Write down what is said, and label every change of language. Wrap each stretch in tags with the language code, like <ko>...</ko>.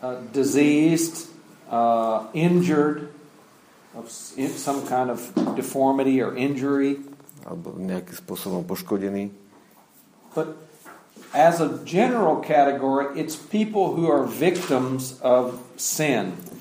<en>Diseased, injured of some kind of deformity or injury.</en> <sk>Alebo nejakým spôsobom poškodený.</sk> <en>But as a general category, it's people who are victims of sin.</en>